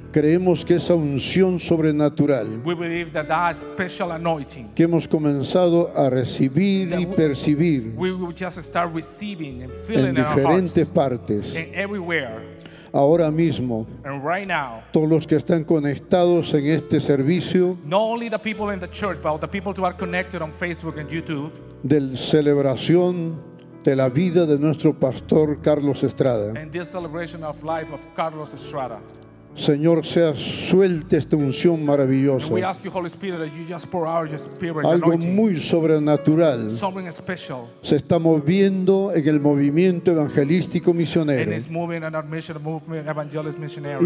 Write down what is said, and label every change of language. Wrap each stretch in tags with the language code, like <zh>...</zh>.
<es>creemos que esa unción sobrenatural que hemos comenzado a recibir y percibir en diferentes partes, ahora mismo,</es> <en>and right now,</en> <es>todos los que están conectados en este servicio,</es> <en>not only the people in the church, but the people who are connected on Facebook and YouTube,</en> <es>de la celebración de la vida de nuestro pastor Carlos Estrada.</es> <en>And this celebration of life of Carlos Estrada.</en> <es>Señor, sea suelte esta unción maravillosa.</es> <en>And we ask you, Holy Spirit, that you just pour out your spirit.</en> <es>Algo</es> <en>anointing.</en> <es>Muy sobrenatural.</es> <en>Something special.</en> <es>Se está moviendo en el movimiento evangelístico misionero.</es> <en>And it's moving in our mission movement, evangelist missionary.</en>